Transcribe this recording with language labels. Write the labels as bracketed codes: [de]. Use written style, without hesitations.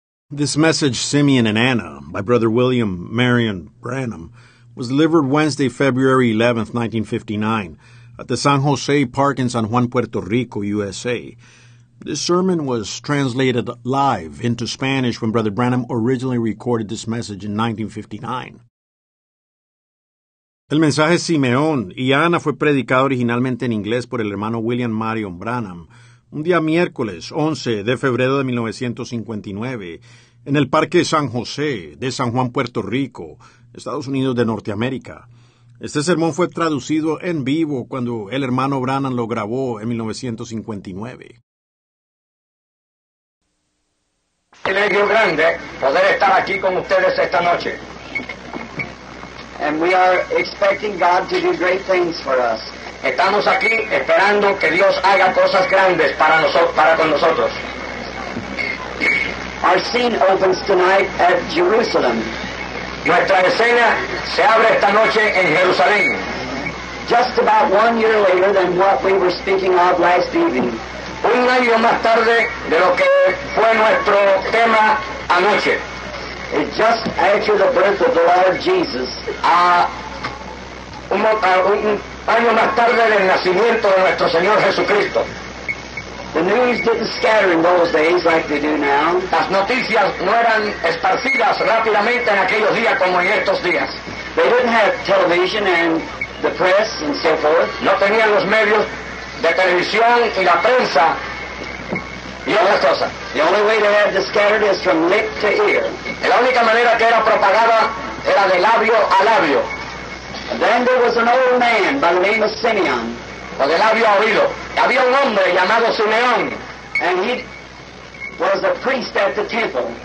[en] This message, Simeon and Anna, by Brother William Marion Branham, was delivered Wednesday, February 11, 1959, at the San Jose Park in San Juan, Puerto Rico, USA. This sermon was translated live into Spanish when Brother Branham originally recorded this message in 1959. [es] El mensaje Simeón y Ana fue predicado originalmente en inglés por el hermano William Marion Branham, un día miércoles 11 de febrero de 1959, en el Parque San José de San Juan, Puerto Rico, Estados Unidos de Norteamérica. Este sermón fue traducido en vivo cuando el hermano Branham lo grabó en 1959. Privilegio grande poder estar aquí con ustedes esta noche. [en] And we are expecting God to do great things for us. [es] Estamos aquí esperando que Dios haga cosas grandes para con nosotros. [en] Our scene opens tonight at Jerusalem. [es] Nuestra escena se abre esta noche en Jerusalén. [en] Just about 1 year later than what we were speaking of last evening. [es] Un año más tarde de lo que fue nuestro tema anoche. [en] It's just after the birth of the Lord Jesus. [es] Un año más tarde del nacimiento de nuestro Señor Jesucristo. [en] The news didn't scatter in those days like they do now. [es] Las noticias no eran esparcidas rápidamente en aquellos días como en estos días. [en] They didn't have television and the press and so forth. [es] No tenían los medios de televisión y la prensa y otras cosas. [en] The only way they had to scatter is from lip to ear. [es] La única manera que era propagada era de labio a labio. [en] And then there was an old man by the name of Simeon. [es] O de labio a oído. Había un hombre llamado Simeón. [en] And he was a priest at the temple.